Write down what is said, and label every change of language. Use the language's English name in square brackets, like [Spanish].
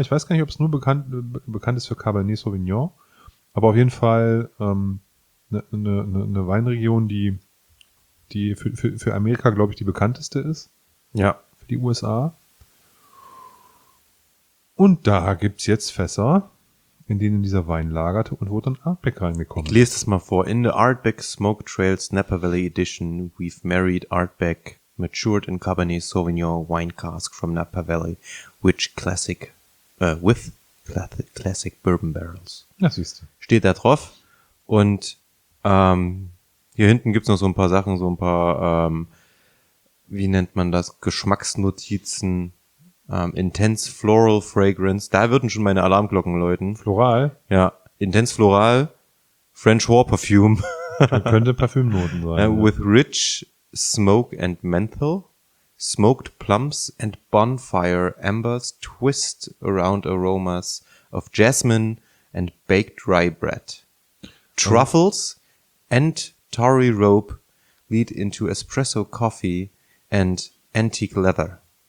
[German] Ich weiß gar nicht, ob es nur bekannt ist für Cabernet Sauvignon, aber auf jeden Fall eine Weinregion, die für Amerika, glaube ich, die bekannteste ist. Ja. Für die USA. Und da gibt's jetzt Fässer, in denen dieser Wein lagerte und wo dann Artback reingekommen ist. Ich lese das mal vor. [English] In the Artback Smoke Trails Napa Valley Edition, we've married Artback matured in Cabernet Sauvignon wine cask from Napa Valley, which classic, with classic bourbon barrels. [German] Das siehst du. Steht da drauf. Und hier hinten gibt's noch so ein paar Sachen, so ein paar, wie nennt man das, Geschmacksnotizen. [English] Intense Floral Fragrance. [German] Da würden schon meine Alarmglocken läuten. Floral? [English] Ja. Intense Floral. French War Perfume. [German] Das könnte Parfümnoten sein. [English] With rich smoke and menthol. Smoked plums and bonfire embers twist around aromas of jasmine and baked rye bread. Truffles and tarry rope lead into espresso coffee and antique leather.